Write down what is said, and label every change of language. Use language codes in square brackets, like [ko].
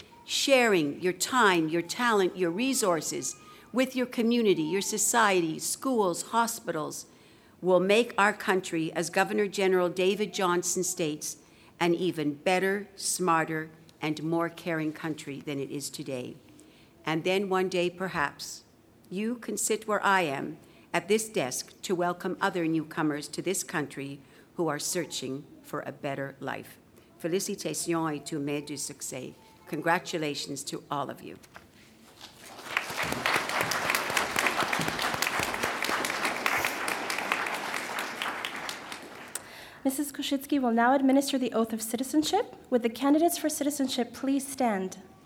[en] Sharing your time, your talent, your resources with your community, your society, schools, hospitals, will make our country, as Governor General David Johnson states, an even better, smarter, and more caring country than it is today. And then one day, perhaps, you can sit where I am at this desk to welcome other newcomers to this country who are searching for a better life. [fr] Félicitations et tout mérite du succès. [en] Congratulations to all of you. Mrs. Kuschitsky will now administer the oath of citizenship. Would the candidates for citizenship please stand?